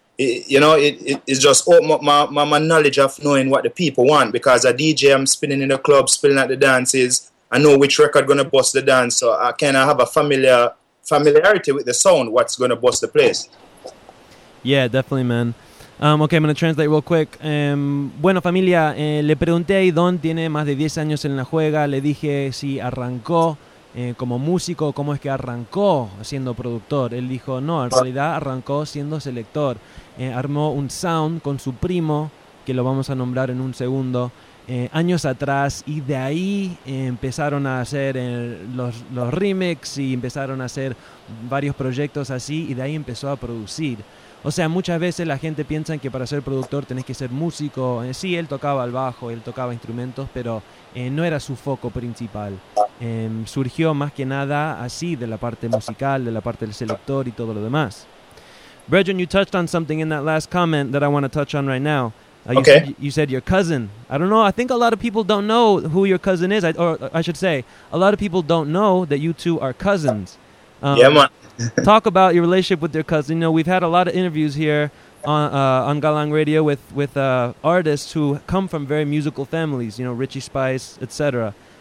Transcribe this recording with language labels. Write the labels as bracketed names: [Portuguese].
[English] It just opened up my knowledge of knowing what the people want. Because a DJ, I'm spinning in the club, spinning at the dances. I know which record going to bust the dance. So I kind of have a familiarity with the sound, what's going to bust the place. Yeah, definitely, man. Okay, I'm going to translate real quick. [Spanish] Bueno, familia, le pregunté a Don, tiene más de 10 años en la juega. Le dije si arrancó. Como músico, ¿cómo es que arrancó siendo productor? Él dijo, no, en realidad arrancó siendo selector. Armó un sound con su primo, que lo vamos a nombrar en un segundo, años atrás, y de ahí empezaron a hacer los remix y empezaron a hacer varios proyectos así, y de ahí empezó a producir. O sea, muchas veces la gente piensa que para ser productor tenés que ser músico. Sí, él tocaba el bajo, él tocaba instrumentos, pero no era su foco principal. Surgió más que nada así, de la parte musical, de la parte del selector y todo lo demás. [English] Brethren, you touched on something in that last comment that I want to touch on right now. You said your cousin. I don't know. I think a lot of people don't know who your cousin is. I should say, a lot of people don't know that you two are cousins. Yeah, man. Talk about your relationship with your cousin. You know, we've had a lot of interviews here on Galang Radio with artists who come from very musical families, you know, Richie Spice, etc.